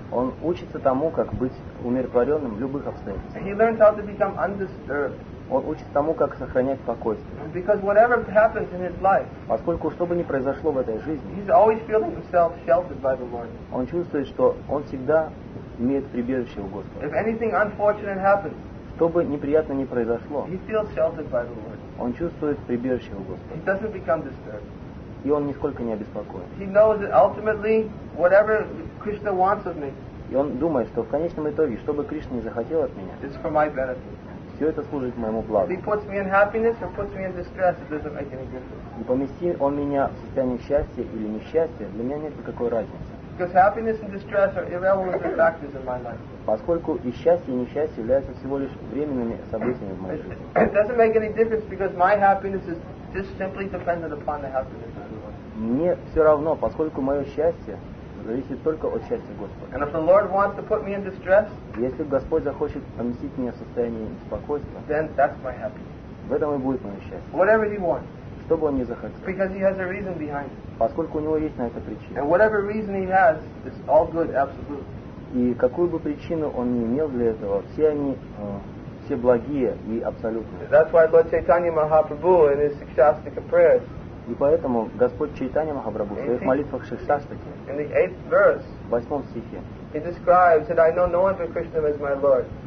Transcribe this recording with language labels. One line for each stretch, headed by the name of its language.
Russian: Он учится тому, как быть умиротворенным в любых обстоятельствах.
English: And he learns how to become undisturbed.
Russian: Он учится тому, как сохранять спокойствие.
English: Because whatever happens in his life,
Russian: поскольку что бы ни произошло в этой жизни,
English: he's always feeling himself sheltered by the Lord.
Russian: Он чувствует, что он всегда имеет прибежище у Господа.
English: If anything unfortunate happens,
Russian: что бы неприятно ни произошло,
English: he feels sheltered by the Lord.
Russian: Он чувствует прибежище у Господа.
English: He doesn't become disturbed.
Russian: И он нисколько не обеспокоен.
English: He knows that ultimately, whatever Krishna wants of me,
Russian: и он думает, что в конечном итоге, что бы Кришна ни захотел от меня,
English: it's for my benefit.
Russian: Все это служит моему благу.
English: He puts me in happiness or puts me in distress, it doesn't make any difference.
Russian: И помести он меня в состояние счастья или несчастья, для меня нет никакой разницы.
English: Because happiness and distress are irrelevant factors in my life.
Russian: Поскольку и счастье, и несчастье являются всего лишь временными событиями в моей жизни.
English: It doesn't make any difference because my happiness is just simply dependent upon the happiness of God.
Russian: Мне все равно, поскольку мое счастье зависит только от счастья Господа.
English: And if the Lord wants to put me in distress,
Russian: если Господь захочет поместить меня в состояние беспокойства,
English: then that's my happiness.
Russian: В этом и будет мое счастье.
English: Whatever he wants.
Russian: Что бы он ни захотел.
English: Because he has a reason behind it.
Russian: Поскольку у него есть на это причина.
English: And whatever reason he has, it's all good, absolute.
Russian: И какую бы причину он ни имел для этого, все они все благие и абсолютные.
English: That's why Lord Chaitanya Mahaprabhu in his Shikshastika prayers.
Russian: И поэтому Господь Чайтанья Махапрабху в своих молитвах Шикшаштаке, в восьмом стихе,
English: He describes that I know no one but Krishna as my Lord.